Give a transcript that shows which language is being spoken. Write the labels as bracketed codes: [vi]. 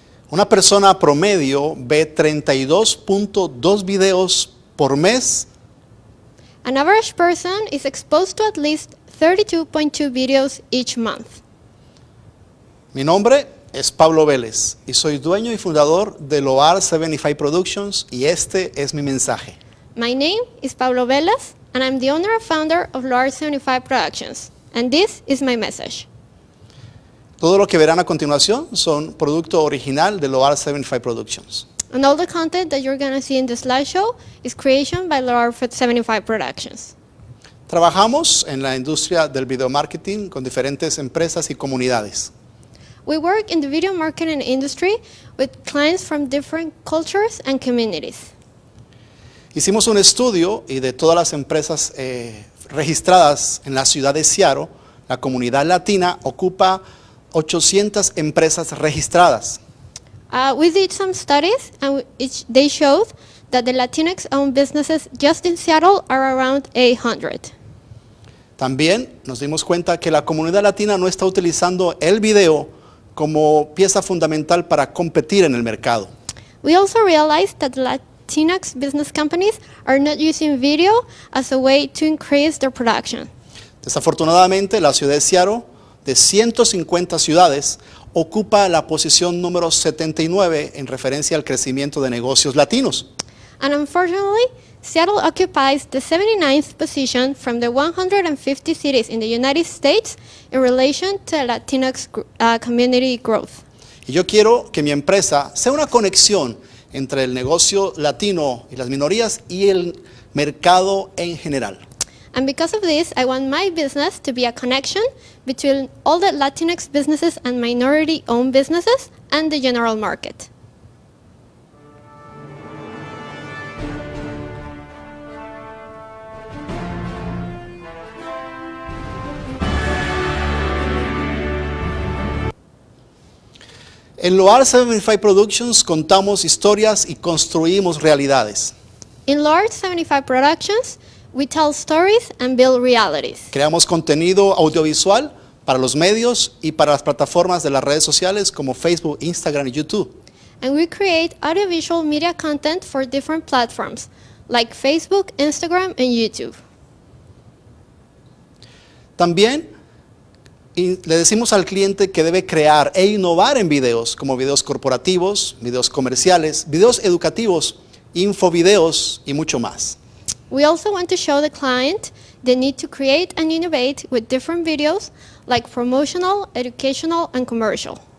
[es] Una persona promedio ve 32.2 videos por mes. [en] An average person is exposed to at least 32.2 videos each month. [es] Mi nombre es Pablo Vélez y soy dueño y fundador de Loar 75 Productions y este es mi mensaje. [en] My name is Pablo Vélez and I'm the owner and founder of Loar 75 Productions and this is my message. [es] Todo lo que verán a continuación son producto original de Loar 75 Productions. [en] And all the content that you're going to see in the slideshow is creation by Loar 75 Productions. [es] Trabajamos en la industria del video marketing con diferentes empresas y comunidades. [en] We work in the video marketing industry with clients from different cultures and communities. [es] Hicimos un estudio y de todas las empresas registradas en la ciudad de Seattle, la comunidad latina ocupa 800 empresas registradas. [en] We did some studies and they showed that the Latinx-owned businesses just in Seattle are around 800. [es] También nos dimos cuenta que la comunidad latina no está utilizando el video como pieza fundamental para competir en el mercado. [en] We also realized that Latinx business companies are not using video as a way to increase their production. [es] Desafortunadamente, la ciudad de Seattle, de 150 ciudades, ocupa la posición número 79 en referencia al crecimiento de negocios latinos. [en] And unfortunately, Seattle occupies the 79th position from the 150 cities in the United States in relation to Latinx community growth. [es] Y yo quiero que mi empresa sea una conexión entre el negocio latino y las minorías y el mercado en general. [en] And because of this, I want my business to be a connection between all the Latinx businesses and minority-owned businesses and the general market. [es] En Loar 75 Productions contamos historias y construimos realidades. [en] In Loar 75 Productions, we tell stories and build realities. [es] Creamos contenido audiovisual para los medios y para las plataformas de las redes sociales como Facebook, Instagram y YouTube. [en] And we create audiovisual media content for different platforms like Facebook, Instagram and YouTube. [es] También Y le decimos al cliente que debe crear e innovar en videos, como videos corporativos, videos comerciales, videos educativos, infovideos y mucho más. [en] We also want to show the client the need to create and innovate with different videos like promotional, educational, and commercial.